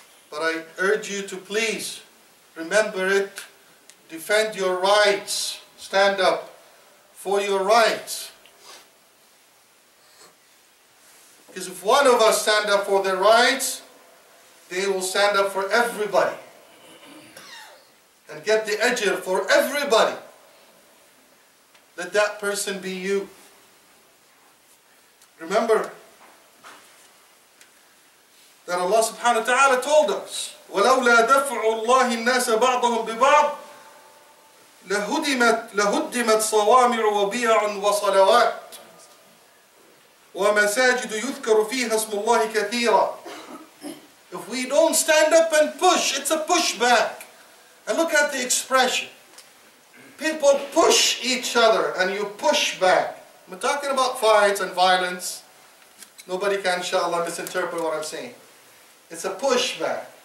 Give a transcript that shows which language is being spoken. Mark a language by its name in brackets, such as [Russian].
[English] But I urge you to please remember it, defend your rights, stand up for your rights. Because if one of us stand up for their rights, they will stand up for everybody and get the ajr for everybody. Let that person be you. Remember that Allah subhanahu wa ta'ala told us, [Arabic] وَلَوْلَا دَفْعُ اللَّهِ النَّاسَ بَعْضَهُمْ بِبَعْضٍ لَهُدِّمَتْ صَوَامِعُ وَبِيَعٌ وَصَلَوَاتٌ وَمَسَاجِدُ يُذْكَرُ فِيهَا اسْمُ اللَّهِ كَثِيرًا. [English] If we don't stand up and push, it's a pushback. And look at the expression. People push each other and you push back. We're talking about fights and violence. Nobody can, inshallah, misinterpret what I'm saying. It's a pushback.